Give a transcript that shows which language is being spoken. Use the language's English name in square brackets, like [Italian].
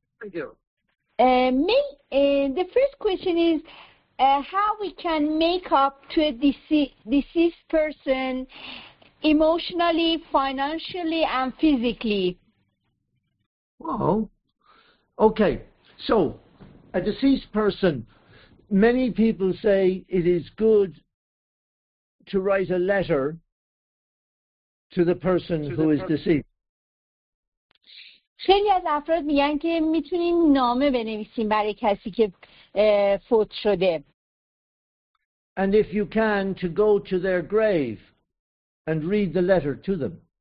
[English] The first question is how we can make up to a deceased person emotionally, financially, and physically? Well, okay. So, a deceased person, many people say it is good to write a letter to the person who is deceased. [Persian] خیلی از افراد میگن که میتونیم نامه بنویسیم برای کسی که فوت شده. [English] And if you can, to go to their grave and read the letter to them.